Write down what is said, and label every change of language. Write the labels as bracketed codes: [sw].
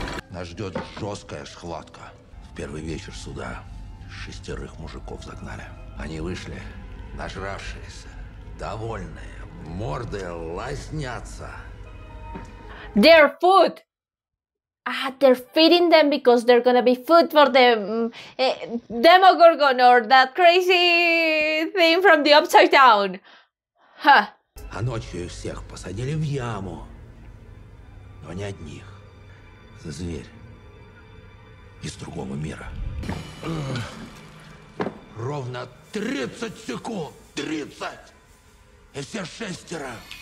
[ru] Нас ждет жесткая схватка. В первый вечер суда шестерых мужиков загнали. Они вышли, нажравшиеся, довольные, морды лоснятся. [en] Their food! They're feeding them because they're gonna be food for them. Demogorgon or that crazy thing from the upside down. [ru] А ночью их всех посадили в яму. Но не одних. За зверь. Из другого мира. Ровно 30 секунд. 30! И все шестеро.